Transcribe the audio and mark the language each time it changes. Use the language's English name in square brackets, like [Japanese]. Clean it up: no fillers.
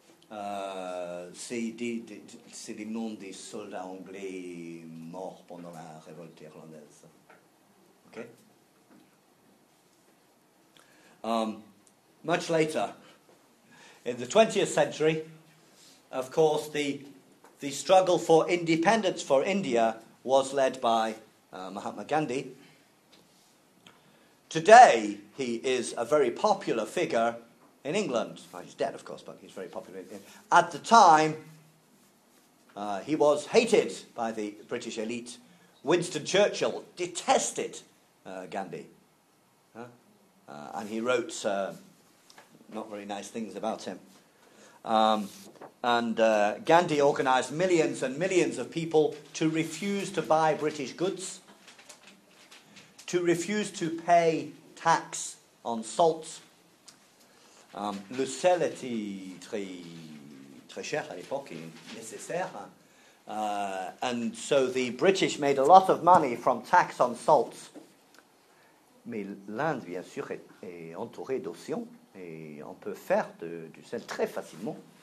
[French] C'est les noms des soldats anglais morts pendant la révolte irlandaise. [English] Okay? Much later, in the 20th century, of course, the struggle for independence for India was led by Mahatma Gandhi. Today, he is a very popular figure in England. Well, he's dead, of course, but he's very popular. At the time, he was hated by the British elite. Winston Churchill detested Gandhi. Huh? And he wrote not very nice things about him. And Gandhi organized millions and millions of people to refuse to buy British goods, to refuse to pay tax on salt. [French] Le sel était très, très cher à l'époque, nécessaire. [English] And so the British made a lot of money from tax on salt. [French] Mais l'Inde, bien sûr, est entourée d'océans et on peut faire du sel très facilement.